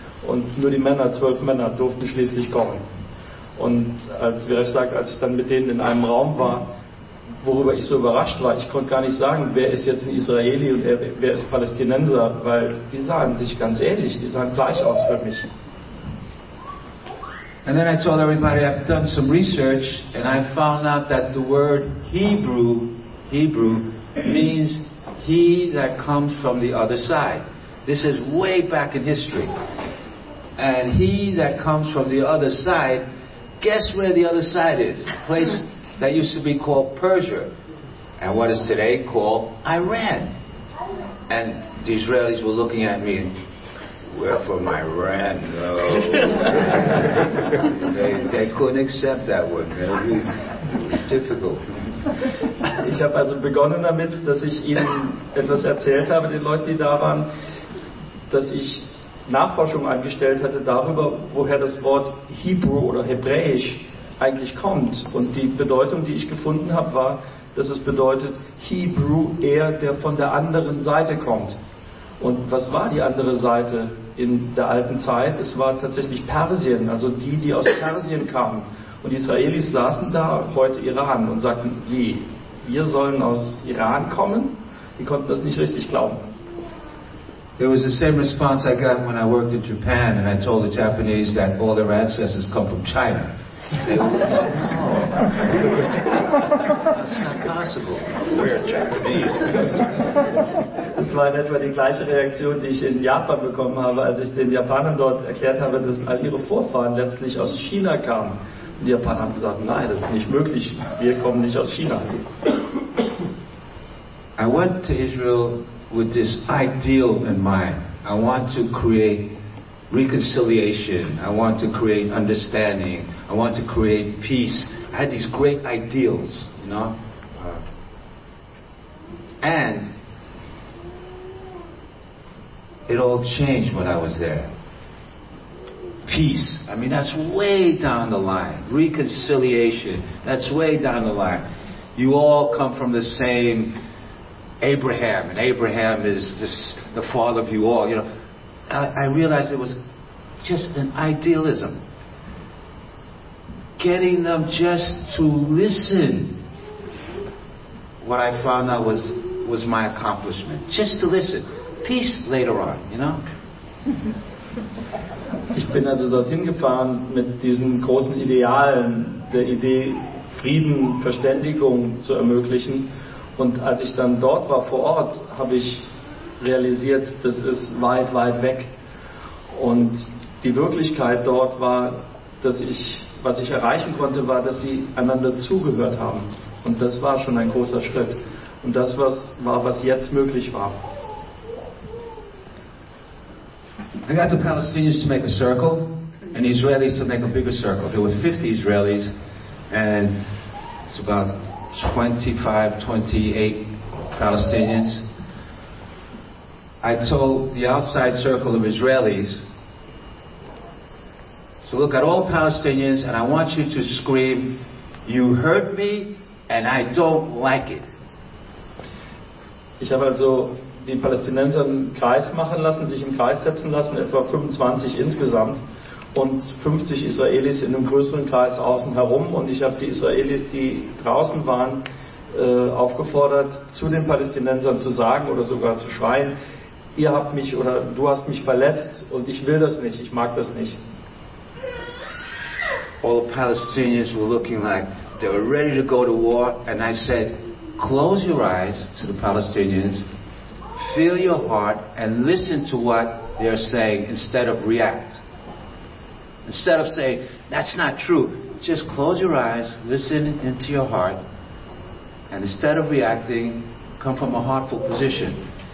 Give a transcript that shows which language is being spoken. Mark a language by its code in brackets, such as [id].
[de] Und nur die Männer, 12 Männer, durften schließlich kommen. Und als Vresh sagt, als ich dann mit denen in einem Raum war, worüber ich so überrascht war, ich konnte gar nicht sagen, wer ist jetzt ein Israeli und wer ist Palästinenser, weil die sahen sich ganz ähnlich, die sahen gleich aus für mich. [en] And then I told everybody, I've done some research and I found out that the word Hebrew means he that comes from the other side. This is way back in history. And he that comes from the other side, guess where the other side is? The place that used to be called Persia. And what is today called Iran. And the Israelis were looking at me, Well, for my rent, no. they couldn't accept that one. It was difficult. [de] Ich habe also begonnen damit, dass ich ihnen etwas erzählt habe, den Leuten, die da waren, dass ich Nachforschung angestellt hatte darüber, woher das Wort Hebrew oder Hebräisch eigentlich kommt. Und die Bedeutung, die ich gefunden habe, war, dass es bedeutet, Hebrew, er, der von der anderen Seite kommt. Und was war die andere Seite in der alten Zeit? Es war tatsächlich Persien, also die, die aus Persien kamen. Und die Israelis saßen da, heute Iran, und sagten, wie, wir sollen aus Iran kommen? Die konnten das nicht richtig glauben. [en] It was the same response I got when I worked in Japan and I told the Japanese that all their ancestors come from China. That's not possible. We're Japanese. [de] Das war in etwa die gleiche Reaktion, die ich in Japan bekommen habe, als ich den Japanern dort erklärt habe, dass all ihre Vorfahren letztlich aus China kamen. Und die Japaner haben gesagt, nein, das ist nicht möglich. Wir kommen nicht aus China. [en] I went to Israel with this ideal in mind. I want to create reconciliation. I want to create understanding. I want to create peace. I had these great ideals, you know? And it all changed when I was there. Peace. I mean, that's way down the line. Reconciliation. That's way down the line. You all come from the same Abraham, and Abraham is this, the father of you all. You know, I realized it was just an idealism. Getting them just to listen. What I found out was my accomplishment. Just to listen. Peace later on, you know? [de] Ich bin also dorthin gefahren mit diesen großen Idealen, der Idee, Frieden, Verständigung zu ermöglichen. Und als ich dann dort war, vor Ort, habe ich realisiert, das ist weit, weit weg. Und die Wirklichkeit dort war, dass ich, was ich erreichen konnte, war, dass sie einander zugehört haben. Und das war schon ein großer Schritt. Und das was war, was jetzt möglich war. [en] I got the Palestinians to make a circle and the Israelis to make a bigger circle. There were 50 Israelis and it's about 25, 28 Palestinians. I told the outside circle of Israelis to look at all Palestinians and I want you to scream, you hurt me and I don't like it. [de] Ich habe also die Palästinenser im Kreis machen lassen, sich im Kreis setzen lassen, etwa 25 insgesamt und 50 Israelis in einem größeren Kreis außen herum. Und ich habe die Israelis, die draußen waren, aufgefordert, zu den Palästinensern zu sagen oder sogar zu schreien, ihr habt mich oder du hast mich verletzt und ich will das nicht, ich mag das nicht. [en] All the Palestinians were looking like they were ready to go to war and I said, close your eyes to the Palestinians, feel your heart and listen to what they are saying instead of react. Instead of saying, that's not true, just close your eyes, listen into your heart, and instead of reacting, come from a heartful position.